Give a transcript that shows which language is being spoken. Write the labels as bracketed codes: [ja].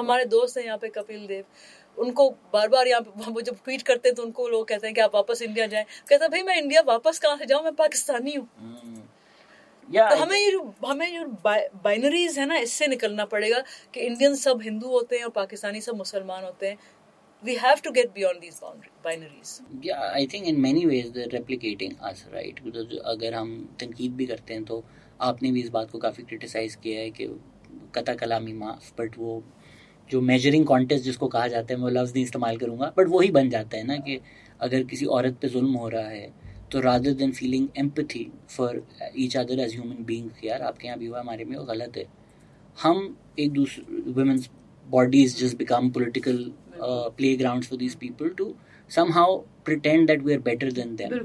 [hi] हमारे दोस्त हैं यहाँ पे कपिल देव, उनको बार बार यहाँ पे वो जब ट्वीट करते हैं तो उनको लोग कहते हैं कि आप वापस इंडिया जाएं, कहता है भाई मैं इंडिया वापस कहाँ से जाऊँ, मैं पाकिस्तानी हूँ। तो हमें ये बाइनरीज है ना, इससे निकलना पड़ेगा कि इंडियन सब हिंदू होते हैं और पाकिस्तानी सब मुसलमान होते हैं। [en] We have to get beyond these binaries. Yeah, I think in many ways they're replicating us, right? [hi] Because अगर हम तंकीद भी करते हैं तो आपने भी इस बात को काफ़ी क्रिटिसाइज किया है कि कथा कलामी माफ, बट वो जो मेजरिंग कॉन्टेस्ट जिसको कहा जाता है, मैं लफ्ज़ नहीं इस्तेमाल करूँगा, बट वही बन जाता है ना कि अगर किसी औरत पर जुल्म हो रहा है तो [en] rather than feeling empathy for each other as human beings, [hi] कि यार आपके यहाँ भी हुआ हमारे में वो गलत है, हम एक दूसरे [en] women's bodies just become political playgrounds for these people to somehow pretend that we are better than them.